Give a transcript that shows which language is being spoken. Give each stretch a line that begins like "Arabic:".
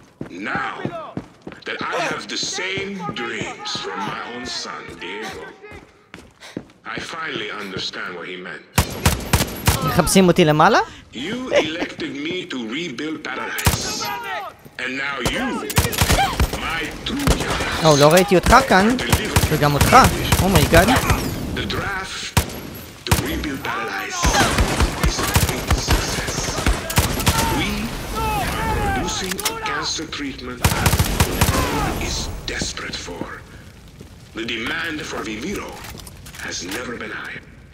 English: Now that I have the same dreams for my own son, Diego, I finally understand what he meant.
Hebrew: מחפשים אותי למעלה?
English: You elected me to rebuild paradise. And now you, my true Yara.
Hebrew: לא ראיתי אותך כאן, וגם אותך.
English: Oh my god. The draft to rebuild paradise is a big success. We are producing a cancer treatment that the world is desperate for. The demand for Viviro has never been higher.